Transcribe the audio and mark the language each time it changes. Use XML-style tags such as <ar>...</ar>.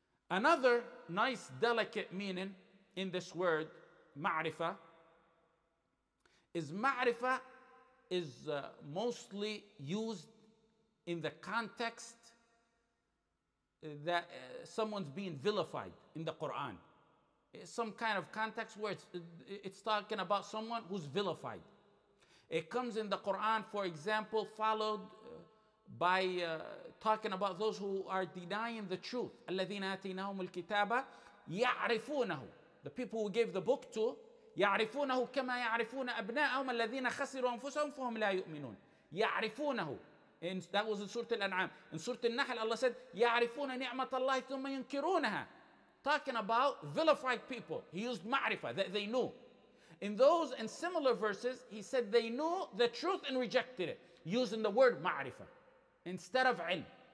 <en>Another nice, delicate meaning in this word, ma'rifah, is ma'rifah is mostly used in the context that someone's being vilified in the Quran. It's some kind of context where it's talking about someone who's vilified. It comes in the Quran, for example, followed by talking about those who are denying the truth.</en> <ar>الَّذِينَ آتِيْنَهُمُ الْكِتَابَ يَعْرِفُونَهُ.</ar> <en>The people who gave the book to,</en> <ar>يَعْرِفُونَهُ كَمَا يَعْرِفُونَ أَبْنَاءَهُمَ الَّذِينَ خَسِرُوا أَنفُسَهُمْ فَهُمْ لَا يُؤْمِنُونَ يَعْرِفُونَهُ.</ar> <en>And that was in Surah Al-An'am. In Surah Al-Nahl, Allah said,</en> <ar>يَعْرِفُونَ نِعْمَةَ اللَّهِ ثُمَّ يُنْكِرُونَهَا.</ar> <en>Talking about vilified people. He used ma'rifah, that they knew. In those and similar verses, he said they knew the truth and rejected it, using the word ma'rifah instead of ilm.</en>